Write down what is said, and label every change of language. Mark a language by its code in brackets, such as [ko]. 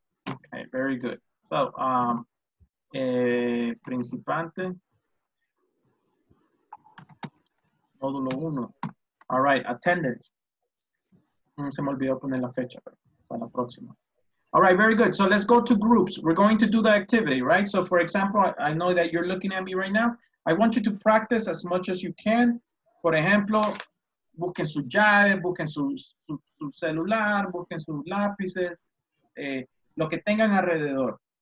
[en] Okay, very good. So, principiante. Módulo 1. All right, attendance. [es] Se me olvidó poner la fecha para la próxima. [en] All right, very good. So let's go to groups. We're going to do the activity, right? So for example, I know that you're looking at me right now. I want you to practice as much as you can. [es] Por ejemplo, busquen su llave, busquen su celular, busquen sus lápices, lo que tengan alrededor.